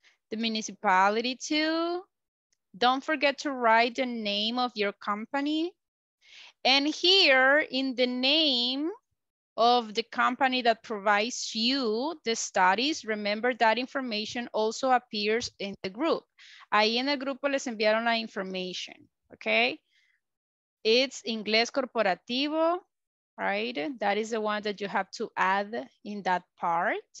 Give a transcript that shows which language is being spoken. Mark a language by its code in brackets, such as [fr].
[en] The municipality too. Don't forget to write the name of your company. And here in the name of the company that provides you the studies, remember that information also appears in the group. [es] Ahí en el grupo les enviaron la información, okay? [en] It's Inglés Corporativo, right? That is the one that you have to add in that part.